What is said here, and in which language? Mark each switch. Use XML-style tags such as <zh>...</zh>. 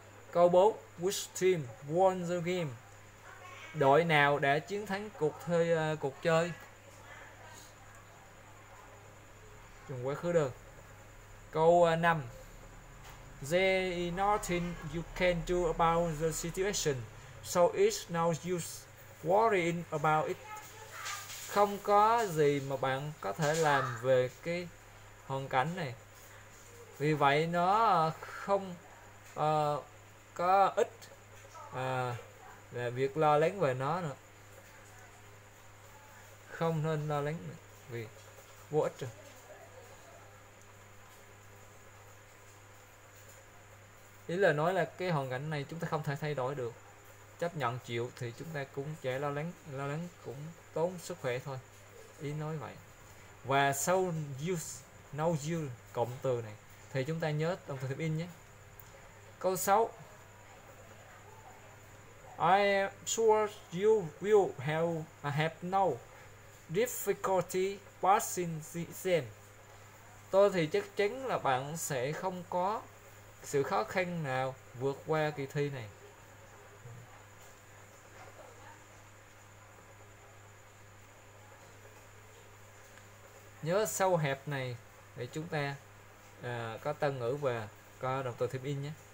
<vi>Câu 4,</vi> <en>which team won the game?</en> <vi>Đội nào đã chiến thắng cuộc chơi? Dùng quá khứ được. Câu 5,</vi> <en>there is nothing you can do about the situation, so it's no use worrying about it.</en> <vi>Không có gì mà bạn có thể làm về cái hoàn cảnh này, vì vậy nó không có ít là việc lo lắng về nó nữa. Không nên lo lắng nữa, vì vô ích rồi. Ý là nói là cái hoàn cảnh này chúng ta không thể thay đổi được, chấp nhận chịu thì chúng ta cũng chả lo lắng cũng tốn sức khỏe thôi. Ý nói vậy. Và sau use, no use cộng từ này thì chúng ta nhớ động từ thêm in nhé. Câu 6.</vi> <en>I am sure you will have no difficulty passing the exam.</en> <vi>Tôi thì chắc chắn là bạn sẽ không có sự khó khăn nào vượt qua kỳ thi này. Nhớ sau hẹp này để chúng ta có tân ngữ và có động từ thêm in nhé.</vi>